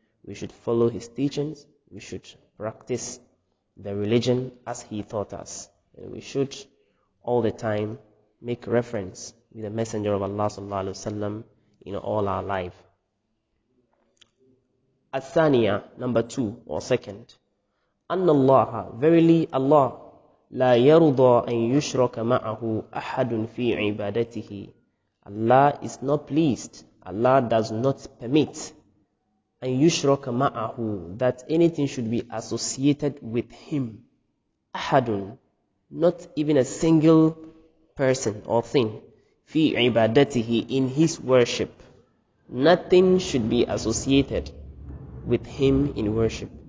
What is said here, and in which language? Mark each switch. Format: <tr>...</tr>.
<en>We should follow his teachings. We should practice the religion as he taught us. And we should all the time make reference with the messenger of Allah sallallahu alayhi wa sallam in all our life. Athaniya, number two or second.</en> <ar>Anna Allah,</ar> <en>verily Allah,</en> <ar>لا يرضى أن يشرك معه أحد في عبادته.</ar> <en>Allah is not pleased. Allah does not permit</en> <ar>أن يشرك معه</ar> <en>that anything should be associated with him. أحد, not even a single person or thing.</en> <ar>في عبادته,</ar> <en>in his worship. Nothing should be associated with him in worship.</en>